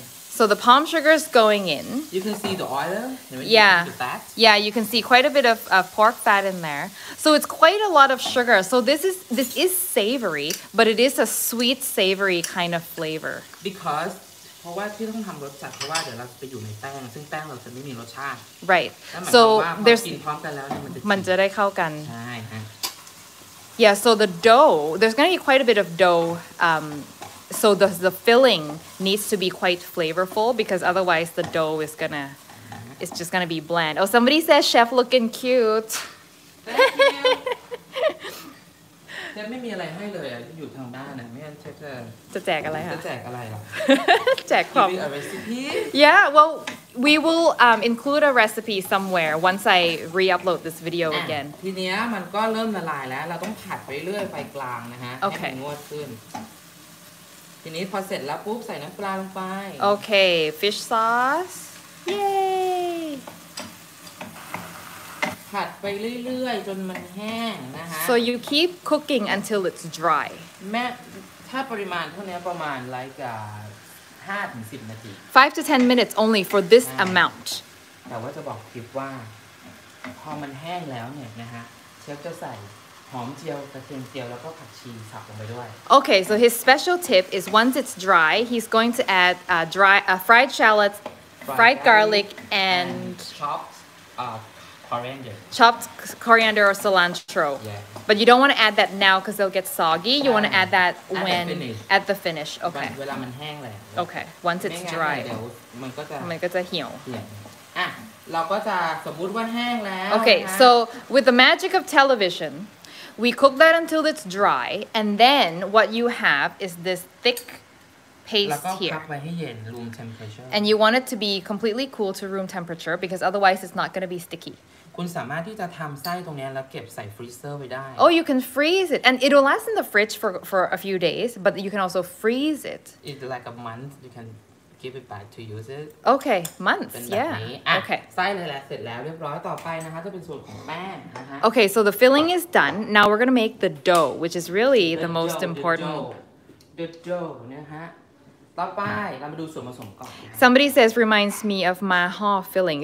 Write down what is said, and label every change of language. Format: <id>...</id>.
<en>So the palm sugar is going in. You can see the oil. Yeah. Yeah, you can see quite a bit of pork fat in there. So it's quite a lot of sugar. So this is savory, but it is a sweet savory kind of flavor. Because</en> <th>เพราะว่าที่ต้องทำรสจัดเพราะว่าเดี๋ยวเราจะไปอยู่ในแป้งซึ่งแป้งเราจะไม่มีรสชาติ</th> <en>right so there's</en> <th>กินพร้อมกันแล้วมันจะ ได้เข้ากัน ใช่</th> <en>yeah so the dough there's gonna be quite a bit of dough so the filling needs to be quite flavorful because otherwise the dough is gonna it's just gonna be bland oh somebody says chef looking cute thank you</en> <th>แต่ไม่มีอะไรให้เลยอ่ะอยู่ทางบ้านน่ะไม่งั้นเชฟจะ แจกอะไรคะ จะแจกอะไรล่ะ แจกความ</th> <en>recipe yeah well we will include a recipe somewhere once I re-upload this video again</en> <th>ทีเนี้ยมันก็เริ่มละลายแล้วเราต้องผัดไปเรื่อยไฟกลางนะฮะ</th> <en>okay.</en> <th>ให้มันงวดขึ้นทีนี้พอเสร็จแล้วปุ๊บใส่น้ำปลาลงไป</th> <en>โอเค fish sauce yay</en> <th>ผัดไปเรื่อยๆจนมันแห้งนะคะ</th> <en>so you keep cooking until it's dry</en> <th>แม้ถ้าปริมาณเท่านี้ประมาณ like 5ถึง10นาที</th> <en>5 to 10 minutes only for this amount</en> <th>แต่ว่าจะบอกคลิปว่าพอมันแห้งแล้วเนี่ยนะฮะเชฟจะใส่หอมเจียวกระเทียมเจียวแล้วก็ผักชีสับลงไปด้วย</th> <en>Okay so his special tip is once it's dry he's going to add fried shallots fried garlic and chopped coriander chopped coriander or cilantro yeah but you don't want to add that now because they'll get soggy you want to add that when at the finish, at the finish. Okay</en> <th>เวลามันแห้งแล้ ว</th> <en>Okay once it's dry</en> <th>มันก็จะ เหี่ยว เราก็จะสมมุติว่าแห้งแล้ว</th> <en>Okay so with the magic of televisionWe cook that until it's dry, and then what you have is this thick paste here.</en> <th>แล้วก็พักไว้ให้เย็น</th> <en>room temperature. And you want it to be completely cool to room temperature because otherwise it's not going to be sticky.</en> <th>คุณสามารถที่จะทำไส้ตรงนี้แล้วเก็บใส่ freezer ไว้ได้</th> <en>Oh, you can freeze it, and it will last in the fridge for a few days. But you can also freeze it. It's like a month. You can give it back to use it. Okay, months. Yeah. Okay.</en> <th>ไส้เลยแล้วเสร็จแล้วเรียบร้อยต่อไปนะคะจะเป็นส่วนของแป้งนะคะ</th> <en>Okay, so the filling is done. Now we're gonna make the dough, which is really the most important.</en> <th>The dough, นะฮะต่อไปเรามาดูส่วนผสมก่อน</th> <en>Somebody says reminds me of maha filling.</en>